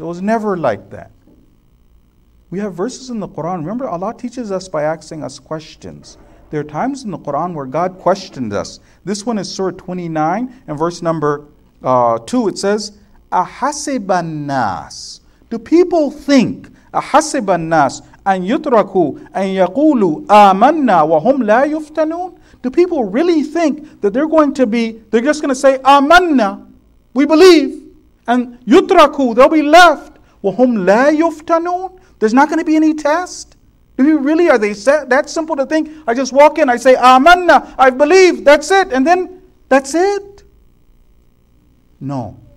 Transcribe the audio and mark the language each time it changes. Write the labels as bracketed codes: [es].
[en] It was never like that. We have verses in the Quran. Remember, Allah teaches us by asking us questions. There are times in the Quran where God questioned us. This one is Surah 29, and verse number 2, it says, [ar] أَحَسِبَ النَّاسِ. [en] Do people think, [ar] أَحَسِبَ النَّاسِ أَنْ يُتْرَكُوا أَنْ يَقُولُوا آمَنَّا وَهُمْ لَا يُفْتَنُونَ? [en] Do people really think that they're just going to say, [ar] آمَنَّا, [en] we believe, and [ar] يُتْرَكُوا, [en] they'll be left, [ar] وَهُمْ لَا يُفْتَنُونَ? [en] There's not going to be any test? Do you really, are they that simple to think, I just walk in, I say, [ar] آمَنَّا, [en] I believe, that's it, and then that's it? No.